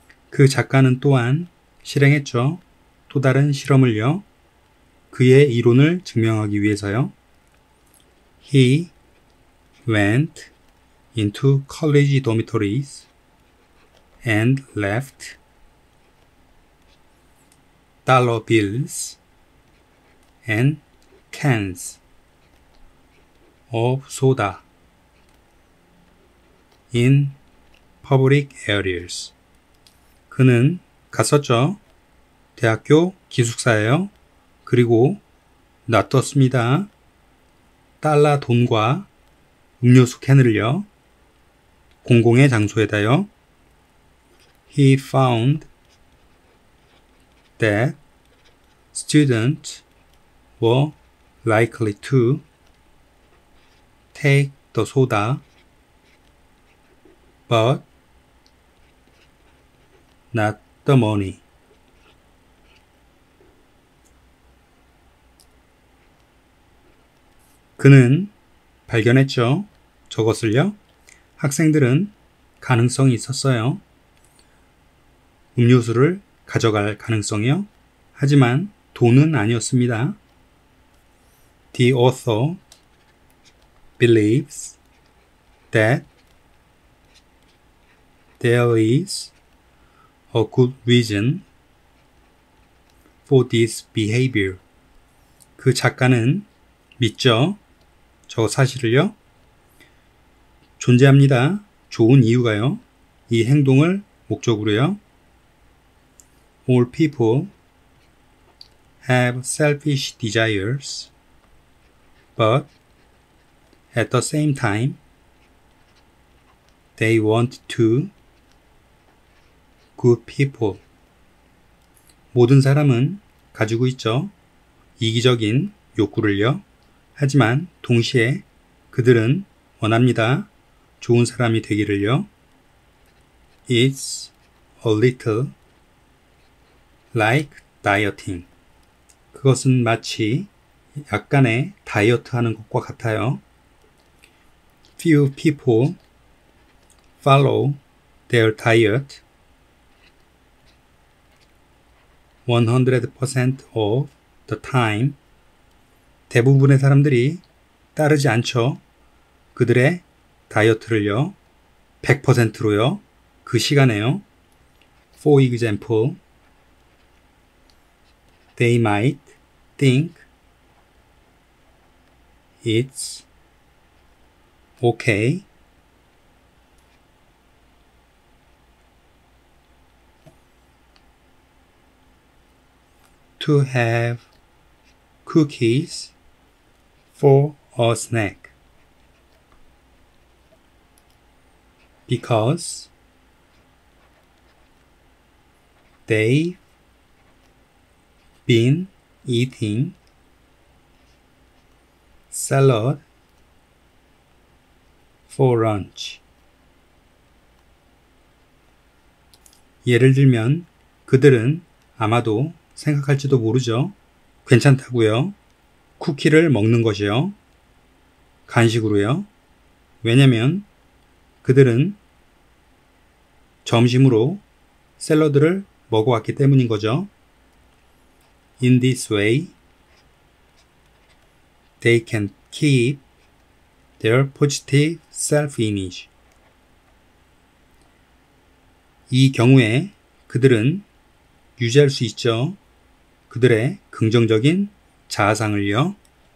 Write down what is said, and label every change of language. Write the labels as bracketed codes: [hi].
[ko] 그 작가는 또한 실행했죠. 또 다른 실험을요. 그의 이론을 증명하기 위해서요. [en] He went into college dormitories and left dollar bills and cans of soda in public areas. [ko] 그는 갔었죠. 대학교 기숙사예요. 그리고 놔뒀습니다. 달러 돈과 음료수 캔을요. 공공의 장소에다요. [en] He found that students were likely to take the soda, but not the money. [ko] 그는 발견했죠. 저것을요. 학생들은 가능성이 있었어요. 음료수를 가져갈 가능성이요. 하지만 돈은 아니었습니다. [en] The author believes that there is a good reason for this behavior. [ko] 그 작가는 믿죠. 저 사실을요. 존재합니다. 좋은 이유가요. 이 행동을 목적으로요. [en] All people have selfish desires, but at the same time, they want to good people. [ko] 모든 사람은 가지고 있죠. 이기적인 욕구를요. 하지만 동시에 그들은 원합니다. 좋은 사람이 되기를요. [en] It's a little like dieting. [ko] 그것은 마치 약간의 다이어트 하는 것과 같아요. [en] Few people follow their diet 100% of the time. [ko] 대부분의 사람들이 따르지 않죠. 그들의 다이어트를요. 100%로요. 그 시간에요. [en] For example, they might think it's okay to have cookies for a snack because they've been eating salad for lunch. [ko] 예를 들면 그들은 아마도 생각할지도 모르죠. 괜찮다고요. 쿠키를 먹는 것이요. 간식으로요. 왜냐면 그들은 점심으로 샐러드를 먹어왔기 때문인 거죠. [en] In this way, they can keep their positive self-image. [ko] 이 경우에 그들은 유지할 수 있죠. 그들의 긍정적인 자아상을요.